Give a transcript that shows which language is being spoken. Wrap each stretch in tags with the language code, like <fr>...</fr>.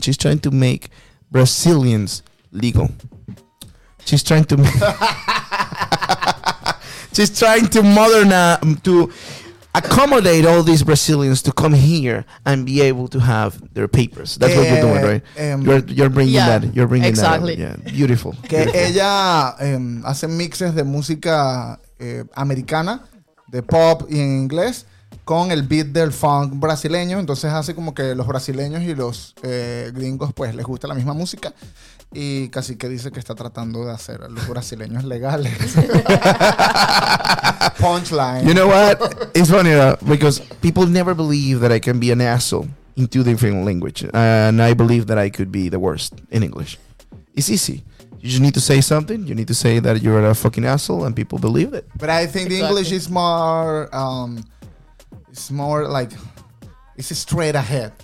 <en>She's trying to make Brazilians legal. She's trying to... she's trying to modernize... To accommodate all these Brazilians to come here and be able to have their papers. That's what you're doing, right? You're bringing yeah, that. You're bringing exactly. that. Exactly. Yeah. Beautiful.</en> <es>Que</es> <en>beautiful.</en> <es>Ella hace mixes de música americana, de pop y en inglés, con el beat del funk brasileño. Entonces hace como que los brasileños y los gringos pues les gusta la misma música. Y casi que dice que está tratando de hacer a los brasileños legales.</es> <en>Punchline. You know what? It's funny because people never believe that I can be an asshole in two different languages. And I believe that I could be the worst in English. It's easy. You just need to say something. You need to say that you're a fucking asshole and people believe it. But I think the English is more... It's more like, it's straight ahead.</en>